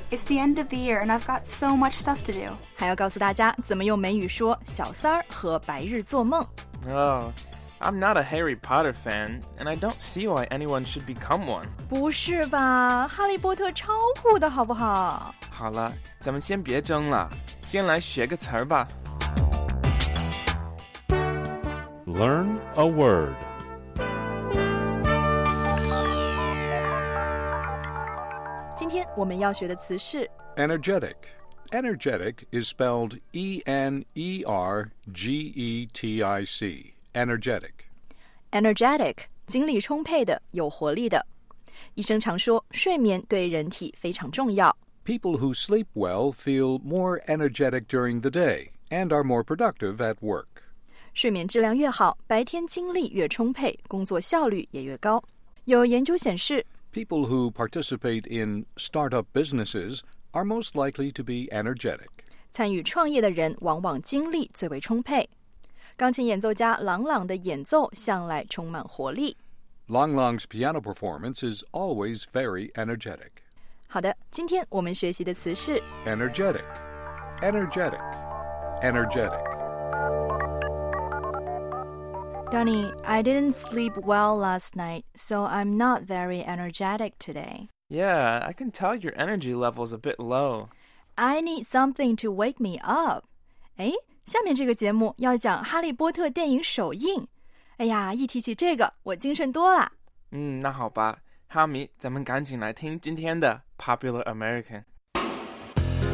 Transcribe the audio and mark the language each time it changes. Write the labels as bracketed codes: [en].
[en] It's the end of the year and I've got so much stuff to do. [zh] 还要告诉大家怎么用美语说小三儿和白日做梦。 Oh... [en] I'm not a Harry Potter fan, and I don't see why anyone should become one. [zh] 不是吧，哈利波特超酷的好不好？好了，咱们先别争了，先来学个词吧。 [en] Learn a word. [zh] Today, 我们要学的词是 [en] energetic. Energetic is spelled E-N-E-R-G-E-T-I-C. Energetic. [zh] Energetic, 精力充沛的，有活力的。医生常说，睡眠对人体非常重要。 [en] People who sleep well feel more energetic during the day and are more productive at work. [zh] 睡眠质量越好，白天精力越充沛，工作效率也越高。有研究显示， [en] People who participate in startup businesses are most likely to be energetic. [zh] 参与创业的人往往精力最为充沛。钢琴演奏家朗朗的演奏向来充满活力。 [en] 朗朗's piano performance is always very energetic. [zh] 好的，今天我们学习的词是 [en] energetic, energetic, energetic. Danny, I didn't sleep well last night, so I'm not very energetic today. Yeah, I can tell your energy level's a bit low. I need something to wake me up. 诶？ [zh] 下面这个节目要讲《哈利波特》电影首映，哎呀，一提起这个，我精神多了。嗯，那好吧，哈迷，咱们赶紧来听今天的《Popular American》。